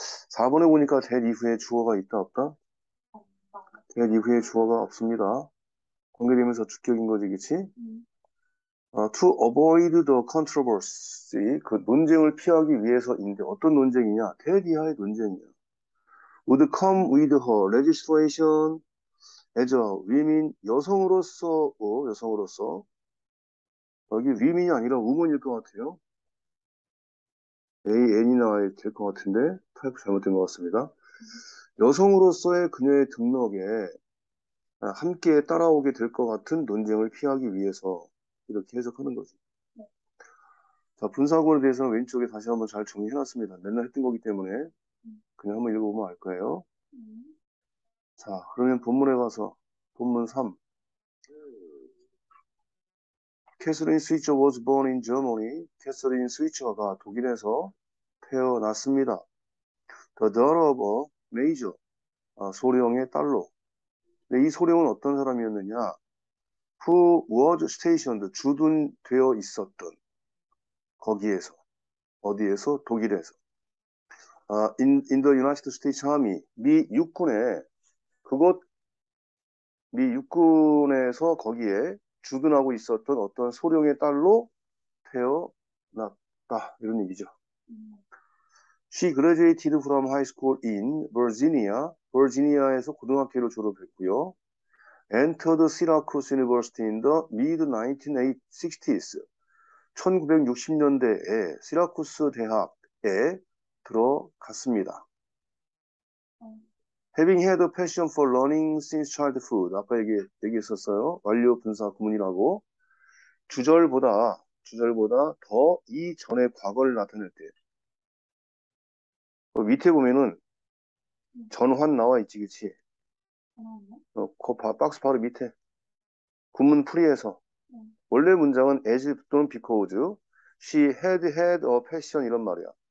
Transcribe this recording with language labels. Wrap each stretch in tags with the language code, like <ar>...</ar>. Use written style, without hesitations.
<ko>4번에 보니까 that 이후에 주어가 있다, 없다? that 이후에 주어가 없습니다. 관계되면서 주격인 거지, 그치?</ko> <en>To avoid the controversy,</en> <ko>그 논쟁을 피하기 위해서인데 어떤 논쟁이냐? 대디아의 논쟁이야.</ko> <en>Would come with her registration as a women</en> <ko>여성으로서, 여성으로서 여기 women이 아니라 woman일 것 같아요. A, N이 나와야 될것 같은데 타이프 잘못된 것 같습니다. 여성으로서의 그녀의 등록에 함께 따라오게 될것 같은 논쟁을 피하기 위해서. 이렇게 해석하는 거죠. 자, 분사구에 대해서는 왼쪽에 다시 한번 잘 정리해놨습니다. 맨날 했던 거기 때문에 그냥 한번 읽어보면 알 거예요. 자, 그러면 본문에 가서 본문 3.</ko> <en>Catherine Switzer was born in Germany.</en> <ko>Catherine Switzer가 독일에서 태어났습니다.</ko> <en>The daughter of a major,</en> <ko>소령의 딸로. 근데 이 소령은 어떤 사람이었느냐?</ko> <en>Who was stationed,</en> <ko>주둔되어 있었던, 거기에서, 어디에서? 독일에서.</ko> <en>In the United States Army,</en> <ko>미 육군에, 그곳, 미 육군에서 거기에 주둔하고 있었던 어떤 소령의 딸로 태어났다. 이런 얘기죠.</ko> <en>She graduated from high school in Virginia.</en> <ko>Virginia에서 고등학교를 졸업했고요.</ko> <en>Entered Syracuse University in the mid-1960s.</en> <ko>1960년대에 시라쿠스 대학에 들어갔습니다.</ko> <en>Having had a passion for learning since childhood.</en> <ko>아까 얘기했었어요. 완료 분사 구문이라고. 주절보다 더 이전의 과거를 나타낼 때. 밑에 보면은 전환 나와 있지, 그치? 그 박스 바로 밑에 구문 풀이에서 원래 문장은 as 또는</ko> <en>because she had a passion</en> <ko>이런 말이야.</ko>